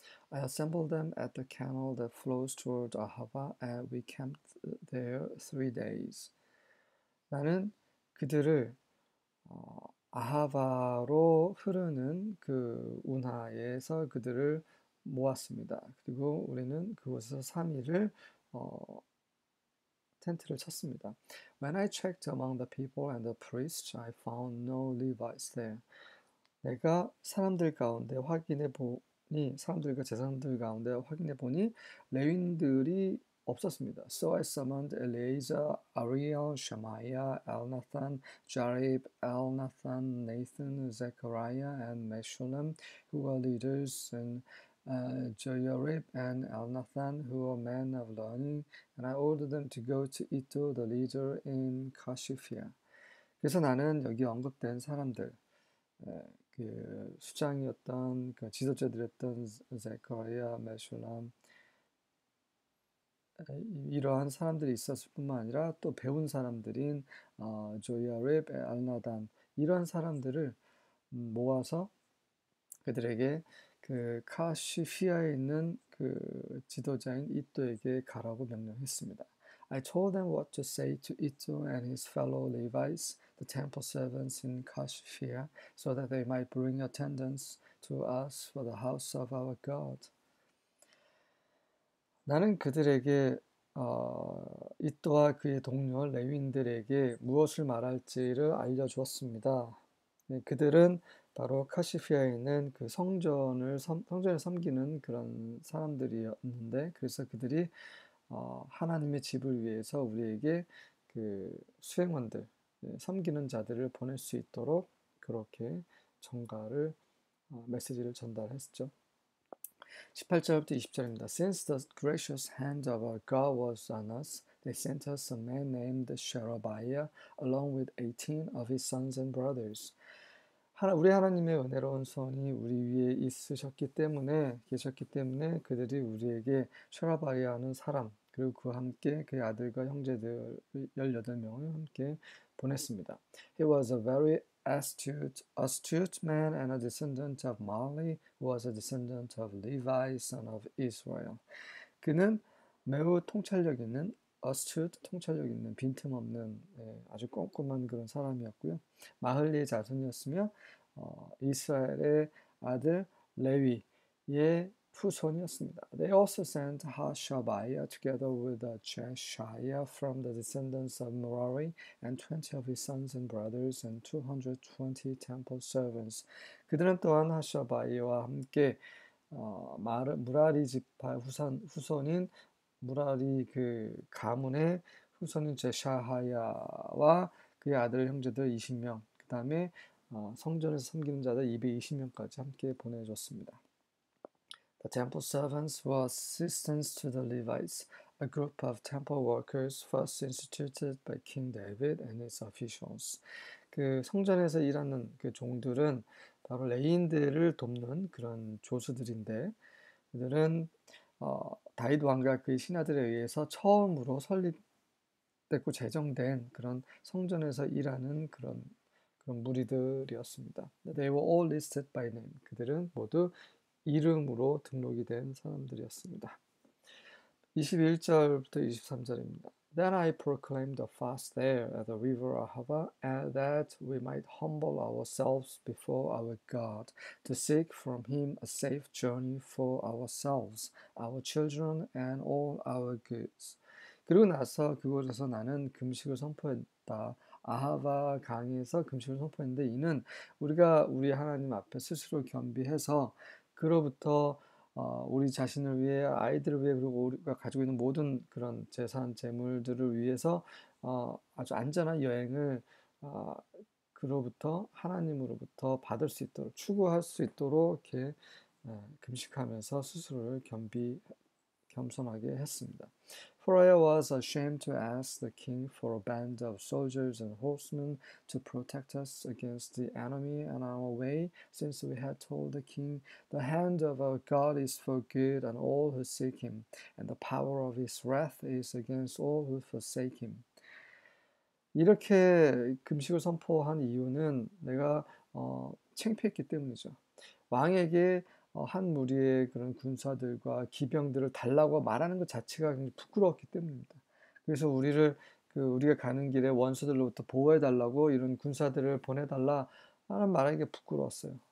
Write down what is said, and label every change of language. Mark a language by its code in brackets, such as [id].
[en] I assembled them at the canal that flows toward Ahava, and we camped there 3 days. [ko] 나는 그들을 아하바로 흐르는 그 운하에서 그들을 모았습니다. 그리고 우리는 그곳에서 3일을 텐트를 쳤습니다. [en] When I checked among the people and the priests, I found no Levites there. [ko] 내가 사람들 가운데 확인해 보 사람들과 제사장들 가운데 확인해 보니 레위인들이 없었습니다. [en] So I summoned Eleazar, Ariel, Shemaiah, Elnathan, Jarib, Elnathan, Nathan, Zechariah, and Meshullam, who were leaders, and Joiarib and Elnathan, who were men of learning, and I ordered them to go to Iddo, the leader in Kashifia. [ko] 그래서 나는 여기 언급된 사람들 그 수장이었던 그 지도자들이었던 제카리아, 메슐람 이러한 사람들이 있었을 뿐만 아니라 또 배운 사람들인 조야립, 알나단 이러한 사람들을 모아서 그들에게 그 카시피아에 있는 그 지도자인 이또에게 가라고 명령했습니다. [en] I told them what to say to Itto and his fellow Levites, the temple servants in Kashifia, so that they might bring attendance to us for the house of our God. [ko] 나는 그들에게 이또와 그의 동료 레위인들에게 무엇을 말할지를 알려주었습니다. 그들은 바로 카시피아에 있는 그 성전을 섬기는 그런 사람들이었는데, 그래서 그들이 하나님의 집을 위해서 우리에게 그 수행원들, 섬기는 자들을 보낼 수 있도록 그렇게 메시지를 전달했죠. 18절부터 20절입니다. [en] Since the gracious hand of our God was on us, they sent us a man named Sherebiah, along with 18 of his sons and brothers. [ko] 우리 하나님의 은혜로운 손이 우리 위에 있으셨기 때문에, 계셨기 때문에 그들이 우리에게 셔라바야라는 사람, 그리고 그와 함께 그의 아들과 형제들 18명을 함께 보냈습니다. [en] He was a very astute man and a descendant of Mahli, who was a descendant of Levi, son of Israel. [ko] 그는 매우 통찰력 있는, astute, 통찰력 있는, 빈틈없는 아주 꼼꼼한 그런 사람이었고요. 마흘리의 자손이었으며 이스라엘의 아들 레위의 후손이었습니다. [en] They also sent Hashabiah together with Jeshaiah from the descendants of Merari and 20 of his sons and brothers and 220 temple servants. [ko] 그들은 또한 하샤바이와 함께 무라리 지파 후손인 무라리 그 가문의 후손인 제샤하야와 그의 아들 형제들 20명, 그 다음에 성전에서 섬기는 자들 220명까지 함께 보내줬습니다. [en] The temple servants were assistants to the Levites, a group of temple workers first instituted by King David and his officials. [ko] 그 성전에서 일하는 그 종들은 바로 레인들을 돕는 그런 조수들인데, 그들은 다윗 왕과 그의 신하들에 의해서 처음으로 설립됐고 제정된 그런 성전에서 일하는 그런 무리들이었습니다. [en] They were all listed by name. [ko] 그들은 모두 이름으로 등록이 된 사람들이었습니다. 21절부터 23절입니다. [en] Then I proclaimed a fast there at the river Ahava, and that we might humble ourselves before our God, to seek from him a safe journey for ourselves, our children, and all our goods. [ko] 그리고 나서 그곳에서 나는 금식을 선포했다. 아하바 강에서 금식을 선포했는데, 이는 우리가 우리 하나님 앞에 스스로 겸비해서 그로부터 우리 자신을 위해, 아이들을 위해, 그리고 우리가 가지고 있는 모든 그런 재산, 재물들을 위해서 아주 안전한 여행을 그로부터 하나님으로부터 받을 수 있도록, 추구할 수 있도록 이렇게 금식하면서 스스로를 겸손하게 했습니다. [en] For I was ashamed to ask the king for a band of soldiers and horsemen to protect us against the enemy on our way, since we had told the king, The hand of our God is for good on all who seek him, and the power of his wrath is against all who forsake him. [ko] 이렇게 금식을 선포한 이유는 내가 창피했기 때문이죠. 왕에게 한 무리의 그런 군사들과 기병들을 달라고 말하는 것 자체가 굉장히 부끄러웠기 때문입니다. 그래서 우리가 가는 길에 원수들로부터 보호해 달라고 이런 군사들을 보내 달라 하는 말하기가 부끄러웠어요.